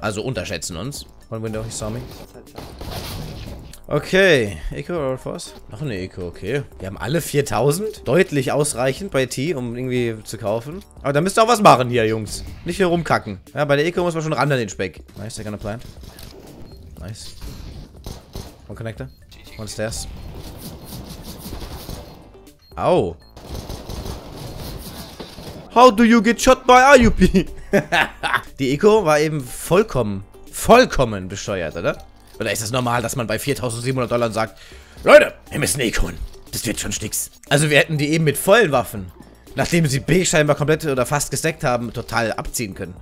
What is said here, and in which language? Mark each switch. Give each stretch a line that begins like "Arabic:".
German: Also unterschätzen uns.
English: One window, he saw me.
German: Okay, Eco oder was? Noch eine Eco, okay. Wir haben alle 4000. Deutlich ausreichend bei T, um irgendwie zu kaufen. Aber da müsst ihr auch was machen hier, Jungs. Nicht hier rumkacken. Ja, bei der Eco muss man schon ran an den Speck.
English: Nice, they're gonna plant. Nice. One connector. One stairs. Au. How do you get shot by IUP?
German: Die Eco war eben vollkommen bescheuert, oder? Oder ist es normal, dass man bei 4.700 Dollar sagt, Leute, wir müssen Eco holen. Das wird schon Sticks. Also wir hätten die eben mit vollen Waffen, nachdem sie B scheinbar komplett oder fast gesteckt haben, total abziehen können.